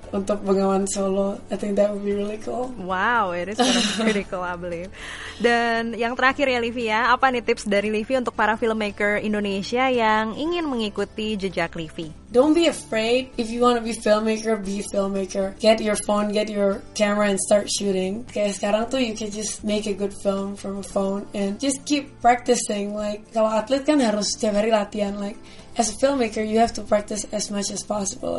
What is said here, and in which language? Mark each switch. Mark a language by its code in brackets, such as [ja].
[id] untuk Bengawan Solo. [en] I think that would be really cool. Wow, it is pretty cool, I believe. [id] Dan yang terakhir ya, Livi ya. Apa nih tips dari Livi untuk para filmmaker Indonesia yang ingin mengikuti jejak Livi? [en] Don't be afraid. If you want to be filmmaker, be filmmaker. Get your phone, get your camera and start shooting. Okay, [id] sekarang tuh [en] you can just make a good film from a phone and just keep practicing. Like, [id] kalau atlet kan harus setiap hari latihan. [en] Like, as a filmmaker, you have to practice as much as possible.